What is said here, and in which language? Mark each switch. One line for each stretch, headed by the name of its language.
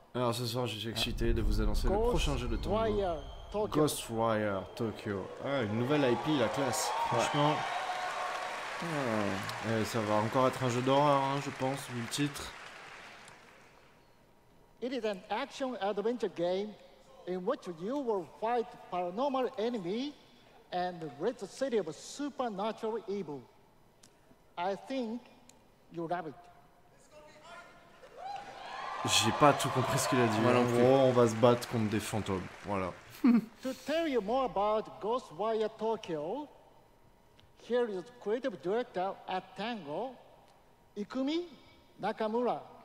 French: Alors ce soir, je suis excité de vous annoncer Ghost le prochain jeu de Tango. Tokyo. Ghostwire Tokyo. Ah, une nouvelle IP, la classe. Franchement, ouais. Ça va encore être un jeu d'horreur, hein, je pense, vu le titre.
English: It is an action adventure game in which you will fight paranormal enemy and rid the city of a supernatural evil. I think you love it.
French: J'ai pas tout compris ce qu'il a dit. Voilà, en gros, on va se battre contre des fantômes. Voilà.
English: To tell you more about Ghostwire Tokyo, here is the creative director at Tango, Ikumi Nakamura.